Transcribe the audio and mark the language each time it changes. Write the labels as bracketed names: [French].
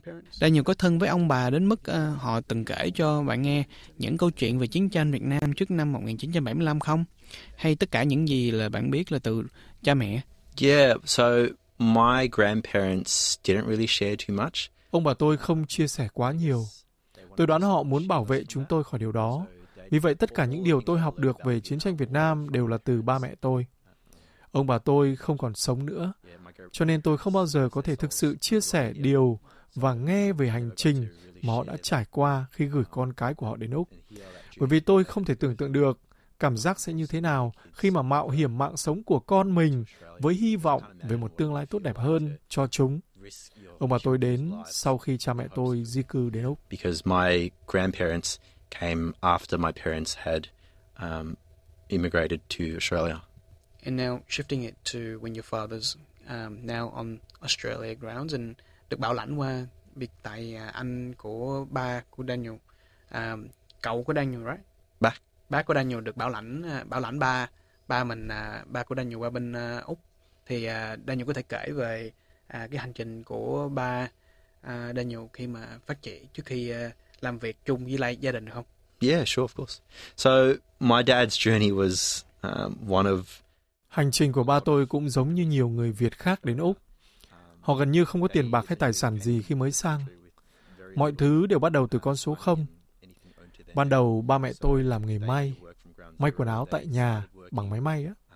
[Vietnamese] Daniel có thân với ông bà đến mức họ từng kể cho bạn nghe những câu chuyện về chiến tranh Việt Nam trước năm 1975 không? Hay tất cả những gì là bạn biết là từ cha mẹ? [English] Yeah, so my grandparents didn't really share too much. [Vietnamese] Ông bà tôi không chia sẻ quá nhiều. Tôi đoán họ muốn bảo vệ chúng tôi khỏi điều đó. Vì vậy tất cả những điều tôi học được về chiến tranh Việt Nam đều là từ ba mẹ tôi. Ông bà tôi không còn sống nữa, cho nên tôi không bao giờ có thể thực sự chia sẻ điều và nghe về hành trình mà họ đã trải qua khi gửi con cái của họ đến Úc. Bởi vì tôi không thể tưởng tượng được cảm giác sẽ như thế nào khi mà mạo hiểm mạng sống của con mình với hy vọng về một tương lai tốt đẹp hơn cho chúng. Ông bà tôi đến sau khi cha mẹ tôi di cư đến Úc. [English] Because my grandparents came after my parents had immigrated to Australia. And now shifting it to when your father's now on Australia grounds and [Vietnamese] được bảo lãnh qua biệt tại anh của ba của Daniel, cậu của Daniel, right? Ba của Daniel được bảo lãnh ba mình ba của Daniel qua bên Úc. Thì Daniel có thể kể về cái hành trình của ba Daniel khi mà phát triển trước khi làm việc chung với lại gia đình được không? [English] Yeah, sure, of course. So my dad's journey was one of. [Vietnamese] Hành trình của ba tôi cũng giống như nhiều người Việt khác đến Úc. Họ gần như không có tiền bạc hay tài sản gì khi mới sang. Mọi thứ đều bắt đầu từ con số 0. Ban đầu ba mẹ tôi làm nghề may quần áo tại nhà bằng máy may á.